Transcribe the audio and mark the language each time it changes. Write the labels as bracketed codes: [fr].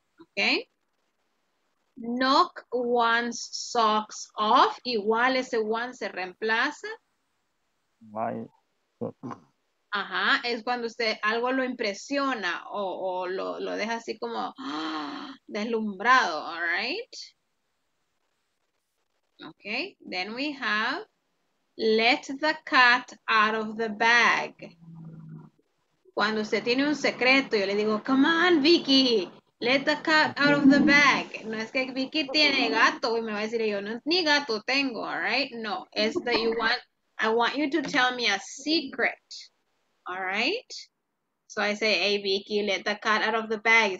[en] Okay. Knock one's socks off. [es] Igual ese one se reemplaza. [en] My socks. [es] Ajá, es cuando usted algo lo impresiona o lo deja así como deslumbrado, all right? [en] Okay, then we have let the cat out of the bag. [es] Cuando usted tiene un secreto, yo le digo, [en] come on, Vicky, let the cat out of the bag. [es] No es que Vicky tiene gato y me va a decir yo, no, ni gato tengo, all right? [en] No, it's that you want, I want you to tell me a secret. All right, so I say, hey, Vicky, let the cat out of the bag.